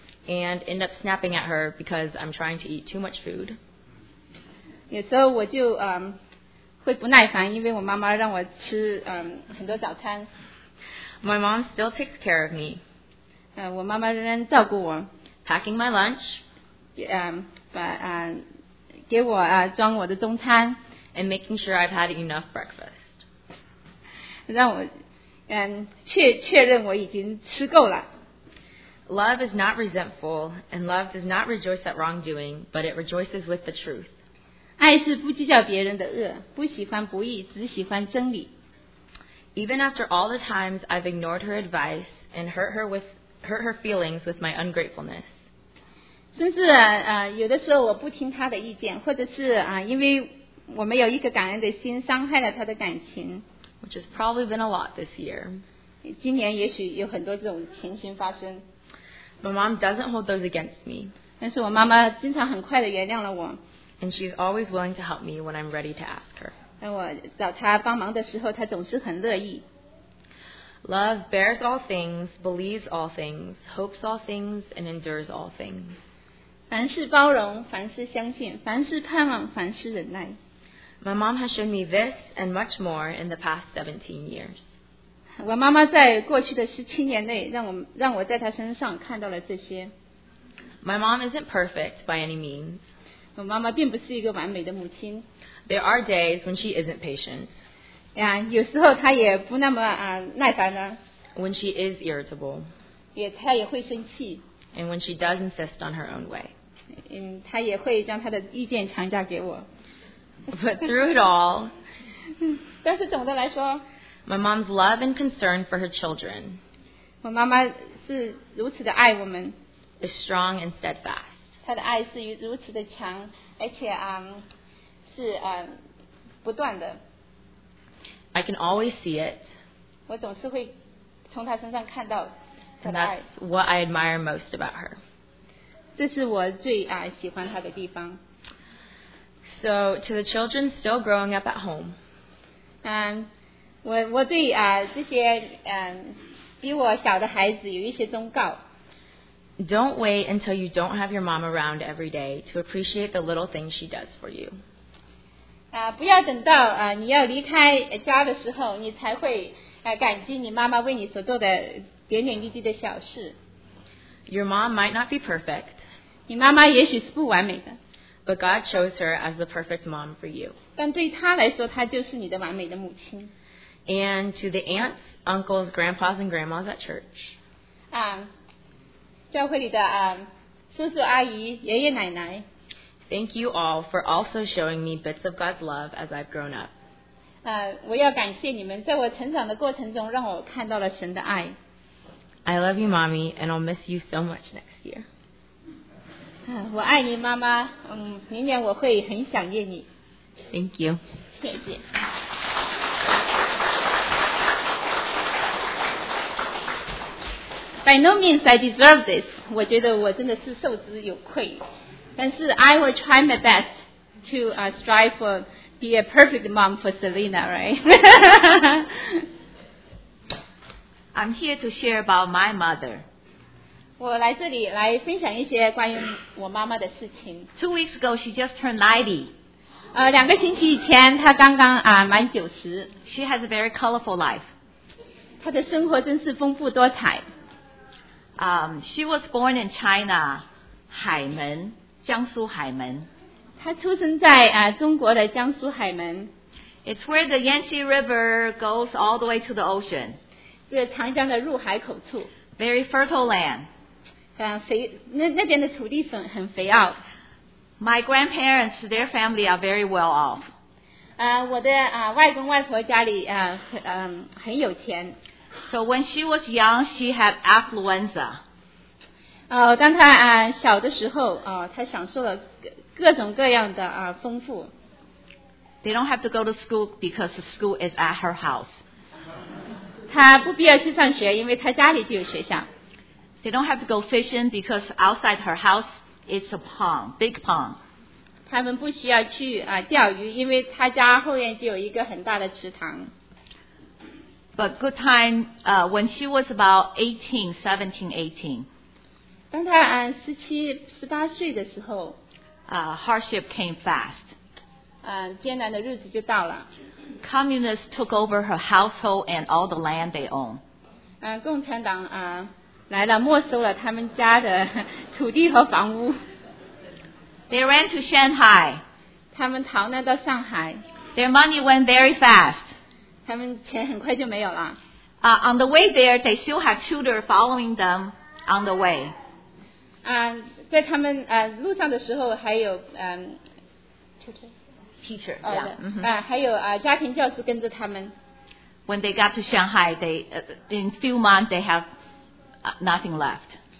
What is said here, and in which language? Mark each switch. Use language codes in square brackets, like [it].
[en] And end up snapping at her because I'm trying to eat too much food. [zh] 有时候我就会不耐烦，因为我妈妈让我吃很多早餐。 [en] My mom still takes care of me. [zh] 我妈妈仍然照顾我。 [en] Packing my lunch. [zh] 给我装我的中餐。 [en] And making sure I've had enough breakfast. [zh] 让我确认我已经吃够了。 [en] Love is not resentful, and love does not rejoice at wrongdoing, but it rejoices with the truth. [zh] 爱是不计较别人的恶，不喜欢不义，只喜欢真理。 [en] Even after all the times I've ignored her advice and hurt her feelings with my ungratefulness. [zh] 甚至有的时候我不听她的意见，或者是因为我没有一个感恩的心，伤害了她的感情。 [en] Which has probably been a lot this year. [zh] 今年也许有很多这种情形发生。 [en] My mom doesn't hold those against me. [zh] 但是我妈妈经常很快地原谅了我。 [en] And she's always willing to help me when I'm ready to ask her. [zh] 当我找她帮忙的时候，她总是很乐意。 [en] Love bears all things, believes all things, hopes all things, and endures all things. [zh] 凡事包容，凡事相信，凡事盼望，凡事忍耐。 [en] My mom has shown me this and much more in the past 17 years. [zh] 我妈妈在过去的17年内让我在她身上看到了这些。 [en] My mom isn't perfect by any means. [zh] 我妈妈并不是一个完美的母亲。 [en] There are days when she isn't patient. [zh] 有时候她也不那么耐烦了。 [en] When she is irritable. [zh] 她也会生气。 [en] And when she does insist on her own way. [zh] 她也会将她的意见强加给我。 [en] But through it all, [zh] 但是总的来说, [en] my mom's love and concern for her children, [zh] 我妈妈是如此的爱我们, [en] is strong and steadfast. [zh] 她的爱是如此的强, 而且, 是, 不断的。 [en] I can always see it. [zh] 我总是会从她身上看到她的爱。 [en] And that's what I admire most about her. [zh] 这是我最喜欢她的地方。 [en] So to the children still growing up at home. [zh] 我对这些比我小的孩子有一些忠告。 [en] Don't wait until you don't have your mom around every day to appreciate the little things she does for you. [zh] 不要等到你要离开家的时候，你才会感激你妈妈为你所做的点点滴滴的小事。 [en] Your mom might not be perfect. [zh] 你妈妈也许是不完美的。 [en] But God chose her as the perfect mom for you. [zh] 但对她来说，她就是你的完美的母亲。 [en] And to the aunts, uncles, grandpas, and grandmas at church. [zh] 教会里的叔叔阿姨、爷爷奶奶。 [en] Thank you all for also showing me bits of God's love as I've grown up. [zh] 我要感谢你们，在我成长的过程中，让我看到了神的爱。 [en] I love you, Mommy, and I'll miss you so much next year. [zh] 我爱你妈妈，明年我会很想念你。 [en] Thank you. [zh] 谢谢。 [en] By no means I deserve this. [zh] 我觉得我真的是受之有愧。但是 [en] I will try my best to strive for be a perfect mom for Selena, right? I'm here to share about my mother. [zh] 我来这里来分享一些关于我妈妈的事情。 [en] Two weeks ago, she just turned 90. [zh] 两个星期以前，她刚刚满90。 [en] She has a very colorful life. [zh] 她的生活真是丰富多彩。 [en] She was born in China, 海门，江苏海门。 [zh] 她出生在中国的江苏海门。 [en] It's where the Yangtze River goes all the way to the ocean. [zh] 这个长江的入海口处。 [en] Very fertile land. [zh] 那边的土地很肥沃。 [en] My grandparents, their family are very well off. [zh] 我的外公外婆家里很有钱。 [en] So when she was young, she had affluenza. [zh] 当她小的时候，她享受了各种各样的丰富。 [en] They don't have to go to school because the school is at her house. [zh] 她不必要去上学，因为她家里就有学校。 [en] They don't have to go fishing because outside her house it's a pond, big pond. [zh] 他们不需要去钓鱼，因为他家后院就有一个很大的池塘。 [en] But good time, when she was about 17, 18. [zh] 当她十七十八岁的时候 [en] ，hardship came fast. [zh] 艰难的日子就到了。 [en] Communists took over her household and all the land they own. [zh] 共产党来了，没收了他们家的土地和房屋。 [en] They ran to Shanghai. [zh] 他们逃难到上海。 [en] Their money went very fast. [zh] 他们钱很快就没有了。 [en] On the way there, they still had tutor following them on the way. [zh] 在他们路上的时候还有 [en] teacher, yeah. [zh] 还有家庭教师跟着他们。 [en] When they got to Shanghai, in a few months, they have nothing left.